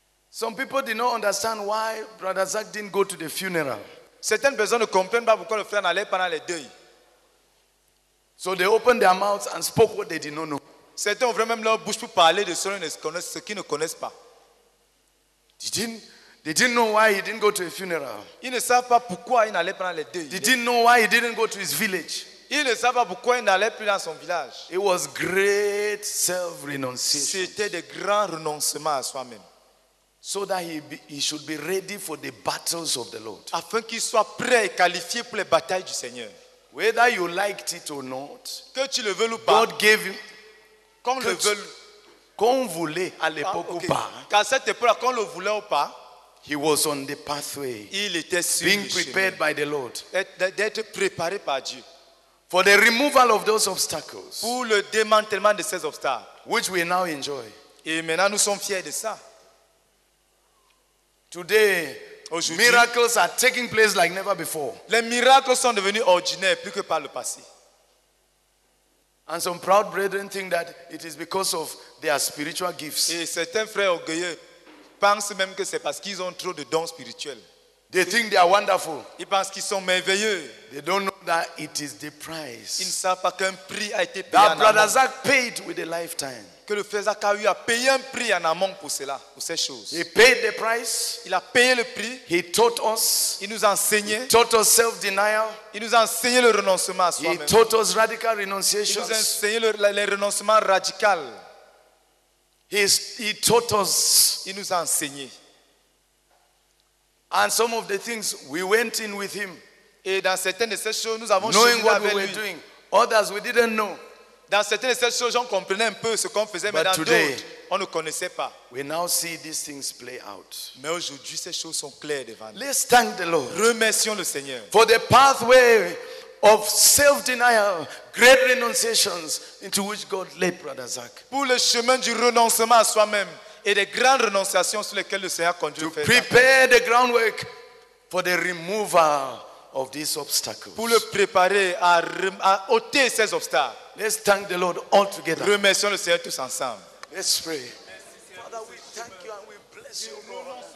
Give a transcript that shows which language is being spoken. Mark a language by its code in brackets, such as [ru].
[en] Some people did not understand why Brother Zach didn't go to the funeral. [fr] Certaines personnes ne comprennent pas pourquoi le frère n'allait pas dans les deuils. [en] So they opened their mouths and spoke what they did not know. [fr] Certains ouvraient même leur bouche pour parler de ce qu'ils ne connaissent pas. [en] They didn't know why he didn't go to a funeral. [fr] Ils ne savent pas pourquoi il n'allait pas dans les deuils. [en] They didn't know why he didn't go to his village. [fr] Ils ne savent pas pourquoi il n'allait plus dans son village. [en] It was great self-renunciation. [fr] C'était des grands renoncements à soi-même. [en] So that he should be ready for the battles of the Lord. [fr] Afin qu'il soit prêt et qualifié pour les batailles du Seigneur. [en] Whether you liked it or not, [fr] que tu le veux ou pas, [en] God gave him. [fr] Qu'on le veuille, qu'on voulait à l'époque ou pas. Qu'à cette époque, qu'on le voulait ou pas, [en] he was on the pathway. [fr] Il était sur [en] being prepared [fr] chemin, [en] by the Lord. [fr] D'être préparé par Dieu. [en] For the removal of those obstacles. [fr] Pour le démantèlement de ces obstacles. [en] Which we now enjoy. [fr] Et maintenant, nous sommes fiers de ça. [en] Today, [fr] aujourd'hui, [en] miracles are taking place like never before. [fr] Les miracles sont devenus ordinaires plus que par le passé. [en] And some proud brethren think that it is because of their spiritual gifts. [fr] Et certains frères orgueilleux pensent même que c'est parce qu'ils ont trop de dons spirituels. [en] They think they are wonderful. [fr] Ils pensent qu'ils sont merveilleux. [en] They don't know that it is the price. [fr] Ils ne savent pas qu'un prix a été payé. [en] That Brother Zach paid with a lifetime. [fr] Que le frère Zach a eu à payer un prix en amont pour cela, pour ces choses. [en] He paid the price. [fr] Il a payé le prix. [en] He taught us. [fr] Il nous a enseigné. [en] He taught us self-denial. [fr] Il nous a enseigné le renoncement à soi-même. [en] He taught us radical renunciation. [fr] Il nous a enseigné le renoncement radical. [en] He taught us. [fr] Il nous a enseigné. [en] And some of the things we went in with him. [fr] Et dans certaines de ces choses, nous avons [en] knowing [fr] choisi [en] what we were doing. Others we didn't know. [fr] Dans certaines de ces choses, on comprenait un peu ce qu'on faisait, [en] but [fr] mais dans [en] today, [fr] d'autres, on ne connaissait pas. [en] We now see these things play out. [fr] Mais aujourd'hui, ces choses sont claires devant nous. [en] Let's thank the Lord. [fr] Remercions le Seigneur. [en] For the pathway of self-denial, great renunciations into which God led Brother Zach. [fr] Pour le chemin du renoncement à soi-même et des grandes renonciations sur lesquelles le Seigneur conduit. [en] To prepare the groundwork for the removal of these obstacles. [fr] Pour le préparer à ôter ces obstacles. [en] Let's thank the Lord all together. [fr] Remercions le Seigneur tous ensemble. [en] Let's pray. Father, we thank you and we bless you, Lord.